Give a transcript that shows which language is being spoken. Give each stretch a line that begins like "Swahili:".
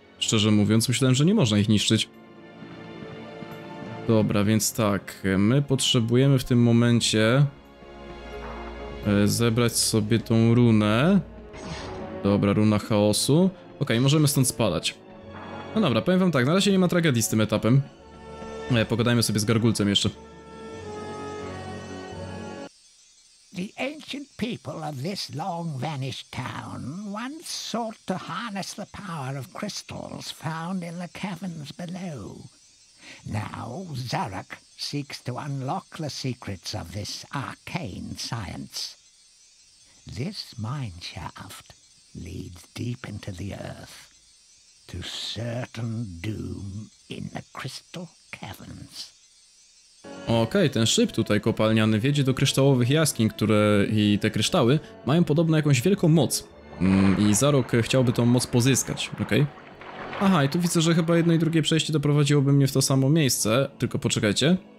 Polish: Szczerze mówiąc, myślałem, że nie można ich niszczyć. Dobra, więc tak, my potrzebujemy w tym momencie... zebrać sobie tą runę. Dobra, runa chaosu. Okej, możemy stąd spadać. No dobra, powiem wam tak, na razie nie ma tragedii z tym etapem. Pogadajmy sobie z gargulcem jeszcze.
English: The ancient people of this long vanished town once sought to harness the power of crystals found in the caverns below. Now Zarak seeks to unlock the secrets of this arcane science. This mine shaft leads deep into the earth to certain doom in the crystal caverns.
Polish: Okej, ten szyb tutaj kopalniany wiedzie do kryształowych jaskiń, które i te kryształy mają podobno jakąś wielką moc. I Zarok chciałby tą moc pozyskać, okej? Aha, i tu widzę, że chyba jedno i drugie przejście doprowadziłoby mnie w to samo miejsce, tylko poczekajcie.